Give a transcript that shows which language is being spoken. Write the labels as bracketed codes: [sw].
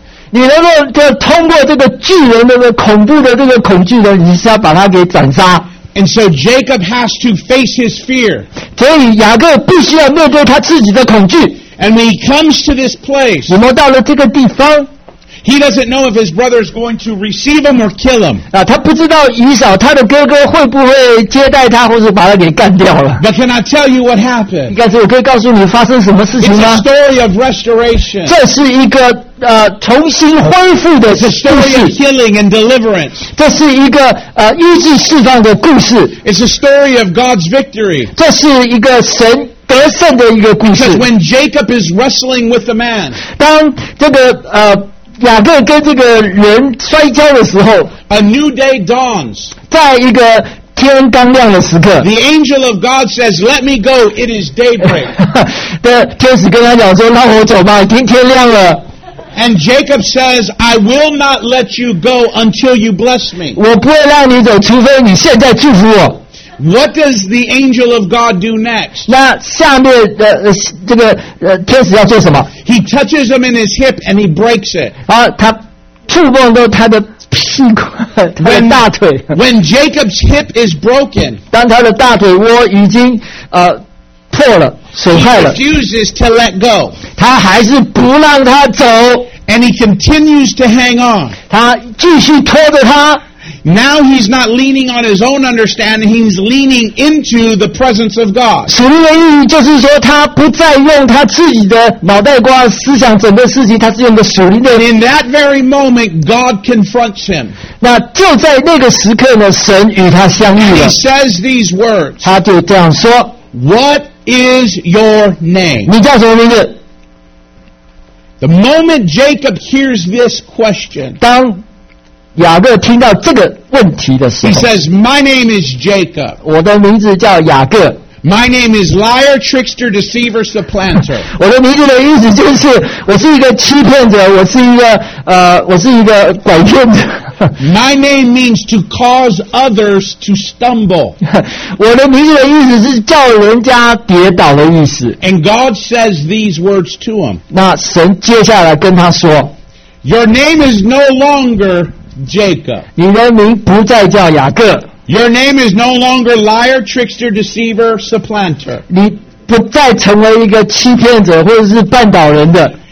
[zh] 你能够就通过这个巨人的这个恐怖的这个恐惧呢，你是要把它给斩杀。 [en] And so Jacob has to face his fear. [zh] 所以雅各必须要面对他自己的恐惧。 [en] And when he comes to this place, [zh] 我们到了这个地方。 [en] He doesn't know if his brother is going to receive him or kill him. [zh] 他不知道以扫他的哥哥会不会接待他，或是把他给干掉了。 [en] But can I tell you what happened? [zh] 但是我可以告诉你发生什么事情吗？ [en] It's a story of restoration. [zh] 这是一个重新恢复的故事。 [en] It's a story of healing and deliverance. [zh] 这是一个医治释放的故事。 [en] It's a story of God's victory. [zh] 这是一个神得胜的一个故事。 [en] Because when Jacob is wrestling with the man, [zh] 当这个雅各跟这个人摔跤的时候 [en] ，A new day dawns， [zh] 在一个天刚亮的时刻 [en] ，The angel of God says, "Let me go. It is daybreak." [zh] 天使跟他讲说，让我走吧，已经天亮了。 [en] And Jacob says, "I will not let you go until you bless me." [zh] 我不会让你走，除非你现在祝福我。 [en] What does the angel of God do next? [zh] 那下面的这个天使要做什么？ [en] He touches him in his hip and he breaks it. [zh] 他触碰到他的屁股，他的大腿。 [en] When Jacob's hip is broken, [zh] 当他的大腿窝已经破了，损坏了。 [en] He refuses to let go. [zh] 他还是不让他走。 [en] And he continues to hang on. [zh] 他继续拖着他。 [en] Now he's not leaning on his own understanding, he's leaning into the presence of God. [zh] 属灵的意义就是说他不再用他自己的脑袋瓜思想整个事情，他是用的属灵的。 [en] And in that very moment, God confronts him. [zh] 那就在那个时刻呢，神与他相遇了。 [en] He says these words. [zh] 他就这样说， [en] What is your name? [zh] 你叫什么名字？ [en] The moment Jacob hears this question, [zh] 当雅各听到这个问题的时候 [en] ，He says, "My name is Jacob." [zh] 我的名字叫雅各。 [en] My name is liar, trickster, deceiver, supplanter. [zh] 我的名字的意思就是，我是一个欺骗者，我是一个我是一个拐骗者。 [en] My name means to cause others to stumble. [zh] 我的名字的意思是叫人家跌倒的意思。 [en] And God says these words to him. [zh] 那神接下来跟他说 [en] ，Your name is no longer Jacob. [zh] 你的名不再叫雅各。 [en] Your name is no longer liar, trickster, deceiver, supplanter. [zh] 你不再成为一个欺骗者或者是绊倒人的。